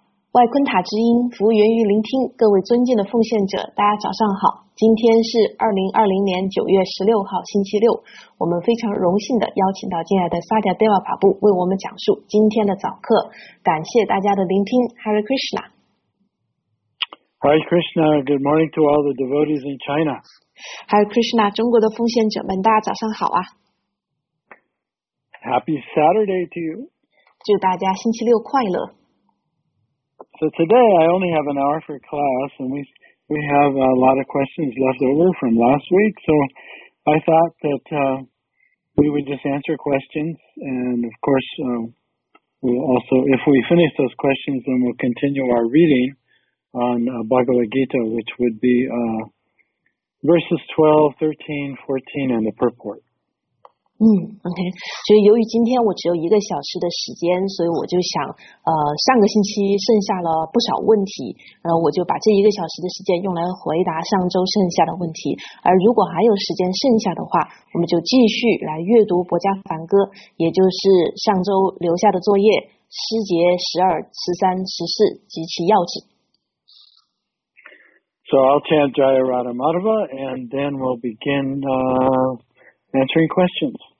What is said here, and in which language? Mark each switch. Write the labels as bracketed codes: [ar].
[zh] 外昆塔之音，服务源于聆听。各位尊敬的奉献者，大家早上好。今天是2020年9月16号，星期六。我们非常荣幸地邀请到敬爱的萨迦德瓦法布为我们讲述今天的早课。感谢大家的聆听。Hare Krishna。 [en] Hare Krishna, good morning to all the devotees in China. [zh] Hare Krishna, 中国的奉献者们，大家早上好啊。 [en] Happy Saturday to you. [zh] 祝大家星期六快乐。 [en] So today I only have an hour for class, and we have a lot of questions left over from last week. So I thought that we would just answer questions, and of course, we'll also, if we finish those questions, then we'll continue our reading on Bhagavad Gita, which would be verses 12, 13, 14, and the purport. [zh] OK, 所以由于今天我只有一个小时的时间，所以我就想上个星期剩下了不少问题，我就把这一个小时的时间用来回答上周剩下的问题，而如果还有时间剩下的话，我们就继续来阅读博迦梵歌，也就是上周留下的作业诗节十二、十三、十四及其要旨。 [en] So I'll chant Jaya Radha Madhava and then we'll beginAnswering questions.